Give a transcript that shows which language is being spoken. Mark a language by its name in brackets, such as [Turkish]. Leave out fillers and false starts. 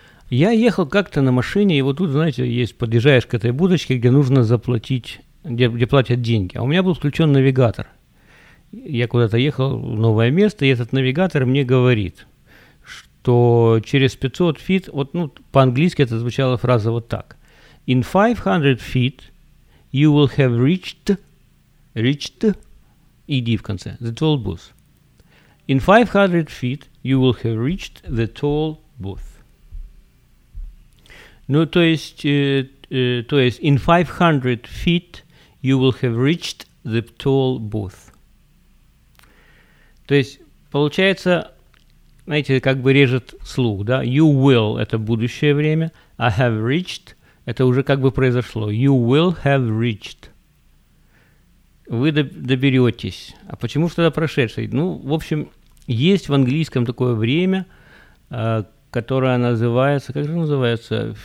[Russian] Я ехал как-то на машине, и вот тут, знаете, есть, подъезжаешь к этой будочке, где нужно заплатить, где платят деньги. А у меня был включен навигатор. Я куда-то ехал в новое место, и этот навигатор мне говорит, что через 500 feet, вот ну, по-английски это звучала фраза вот так. [English] In 500 feet, you will have reached, ED [Russian] в конце, [English] the toll booth. In 500 feet, you will have reached the toll booth. Ну, то есть, in 500 feet, you will have reached the toll booth. [Russian] То есть, получается, знаете, как бы режет слух, да? [English] You will, [Russian] это будущее время, [English] I have reached, [Russian] это уже как бы произошло. [English] You will have reached. [Russian] Вы доберетесь. А почему же тогда прошедший? Ну, в общем, есть в английском такое время, которое называется, как же называется?